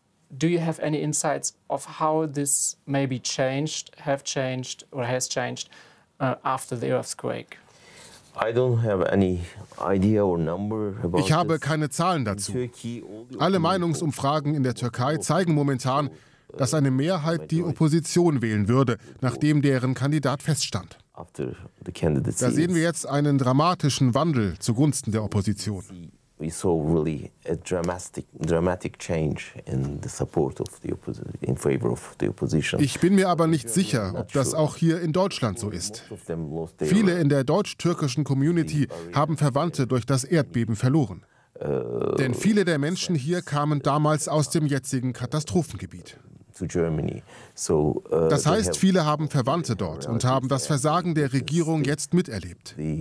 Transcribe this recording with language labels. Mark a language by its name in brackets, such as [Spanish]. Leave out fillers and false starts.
[English] Do you have any insights of how this maybe has changed after the earthquake? I don't have any idea or number about this. [German] Ich habe keine Zahlen dazu. Alle Meinungsumfragen in der Türkei zeigen momentan, dass eine Mehrheit die Opposition wählen würde, nachdem deren Kandidat feststand. Da sehen wir jetzt einen dramatischen Wandel zugunsten der Opposition. [English] We saw really a dramatic change in the support of the opposition, in favor of the opposition. [German] Ich bin mir aber nicht sicher, ob das auch hier in Deutschland so ist. Viele in der deutsch-türkischen Community haben Verwandte durch das Erdbeben verloren. Denn viele der Menschen hier kamen damals aus dem jetzigen Katastrophengebiet. Das heißt, viele haben Verwandte dort und haben das Versagen der Regierung jetzt miterlebt.